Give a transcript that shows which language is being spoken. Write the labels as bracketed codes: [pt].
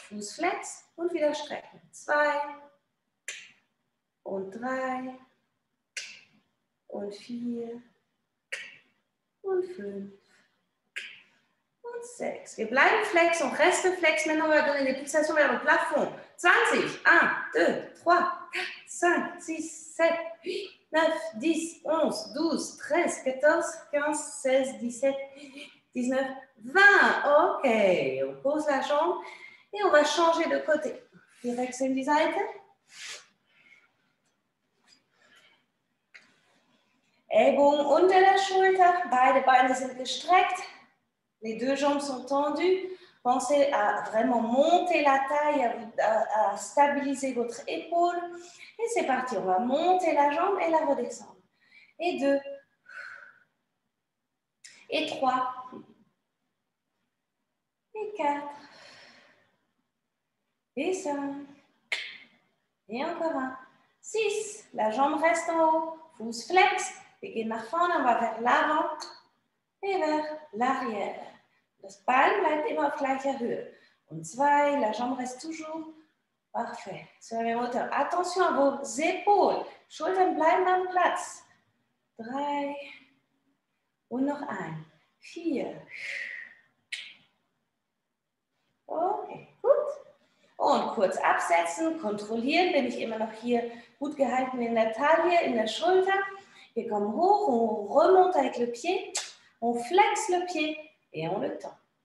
[de] Fuß flex und wieder strecken. 2. Und 3. Und 4. Und 5. Und 6. Wir bleiben flex und reste flex. [fr] Maintenant, on va donner des pulsations vers le plafond. 20. 1, 2, 3, 4, 5, 6, 7, 8, 9, 10, 11, 12, 13, 14, 15, 16, 17, 19, 20. OK. On pose la jambe et on va changer de côté. Direction [de] die Seite. Ellbogen unter der Schulter, beide Beine sind gestreckt, [fr] les deux jambes sont tendues. Pensez à vraiment monter la taille, à stabiliser votre épaule. Et c'est parti, on va monter la jambe et la redescendre. Et 2. Et 3. Et 4. Et 5. Et encore 1. 6. La jambe reste en haut, pouce flex. [de] Wir gehen nach vorne, [fr] on va vers l'avant et vers l'arrière. [de] Das Bein bleibt immer auf gleicher Höhe. Und 2, [fr] la jambe reste toujours. Parfait. Sur la même hauteur. Attention à vos épaules. [de] Schultern bleiben am Platz. 3. Und noch 1. 4. Okay, gut. Und kurz absetzen, kontrollieren, bin ich immer noch hier gut gehalten in der Taille, in der Schulter. Wir kommen hoch, [fr] on remonte avec le pied, on flex le pied et on le tend.